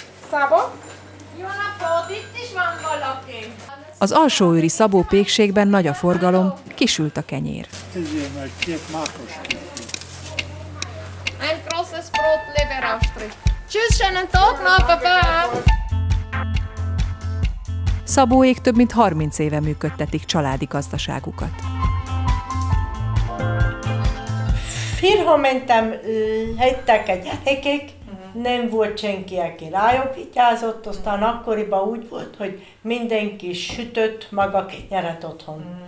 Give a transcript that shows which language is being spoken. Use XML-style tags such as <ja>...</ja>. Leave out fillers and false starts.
<hu>Szabó? Jó napot, itt is van valaki. Az alsóőri Szabó pékségben nagy a forgalom, kisült a kenyér. Tegyél meg két mákos kenyér.</hu> <de>Ein großes Brot, Leberaufstrich. Tschüss, schönen Tag noch, papa!</de> <hu>Szabóék több mint 30 éve működtetik családi gazdaságukat. Firha mentem, lettek a gyerekek, nem volt senki, aki rájuk vigyázott, aztán akkoriban úgy volt, hogy mindenki sütött maga kenyeret otthon.</hu>